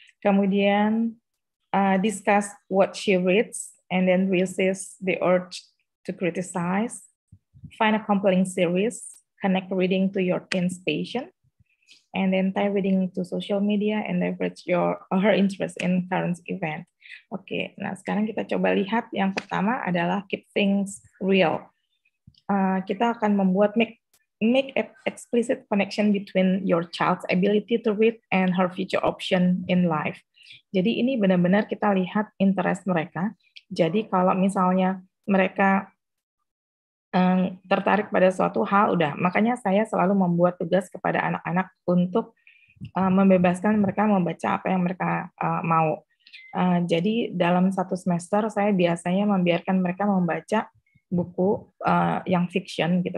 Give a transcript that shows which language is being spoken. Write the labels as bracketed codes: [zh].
[id] Kemudian [en] discuss what she reads and then resist the urge to criticize. Find a compelling series, connect reading to your teen's passion, and then tie reading to social media and leverage her interest in current event. Okay. [id] Nah, sekarang kita coba lihat yang pertama adalah [en] keep things real. [id] Kita akan membuat [en] make an explicit connection between your child's ability to read and her future option in life. [id] Jadi ini benar-benar kita lihat interest mereka. Jadi kalau misalnya mereka tertarik pada suatu hal, udah. Makanya saya selalu membuat tugas kepada anak-anak untuk membebaskan mereka membaca apa yang mereka mau. Jadi dalam satu semester saya biasanya membiarkan mereka membaca buku yang fiction gitu.